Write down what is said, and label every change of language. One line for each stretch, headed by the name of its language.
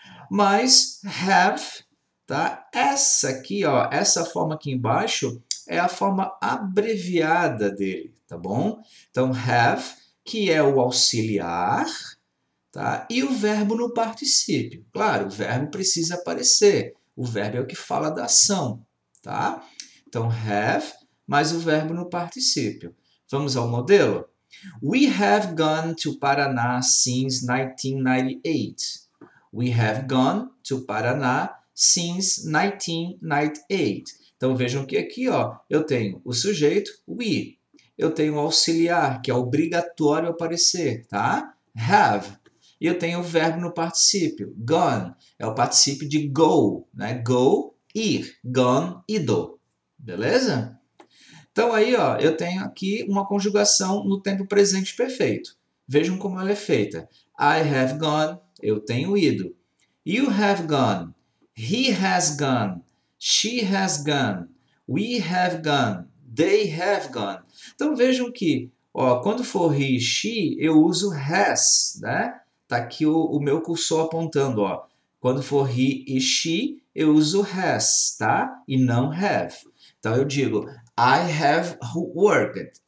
Portuguese: Mas have, tá? Essa aqui, ó, essa forma aqui embaixo é a forma abreviada dele, tá bom? Então have, que é o auxiliar, tá? E o verbo no particípio. Claro, o verbo precisa aparecer. O verbo é o que fala da ação, tá? Então, have, mais o verbo no particípio. Vamos ao modelo?
English: We have gone to Paraná since 1998. We have gone to Paraná since 1998.
Portuguese: Então, vejam que aqui, ó, eu tenho o sujeito, we. Eu tenho o auxiliar, que é obrigatório aparecer, tá? Have. E eu tenho o verbo no particípio, gone, é o particípio de go, né? Go, ir, gone, ido. Beleza? Então aí, ó, eu tenho aqui uma conjugação no tempo presente perfeito. Vejam como ela é feita.
English: I have gone,
Portuguese: eu tenho ido.
English: You have gone, he has gone, she has gone, we have gone, they have gone.
Portuguese: Então vejam que, ó, quando for he, she, eu uso has, né? Tá aqui o meu cursor apontando, ó. Quando for he e she, eu uso has, tá? E não have. Então eu digo,
English: I have worked.